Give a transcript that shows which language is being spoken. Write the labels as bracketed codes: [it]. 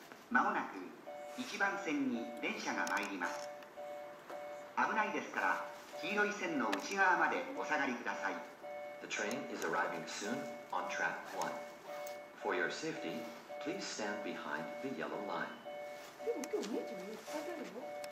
[ja] 1番線に電車が参ります。危ないですから黄色い線の内側までお下がりください。 [en] The train is arriving soon on track 1. For your safety, please stand behind the yellow line. [ja] でも今日姉ちゃんに使ってるの？